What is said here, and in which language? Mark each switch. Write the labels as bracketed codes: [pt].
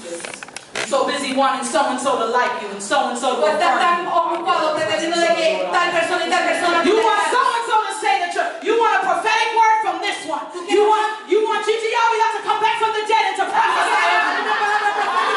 [en] so busy wanting so-and-so to like you and so-and-so to affirm you. [es] Estás tan ocupado pretendiendo de que tal persona y tal persona. [en] You want so-and-so to say that you want a prophetic word from this one. You want Gigi Avila to come back from the dead and to prophesy.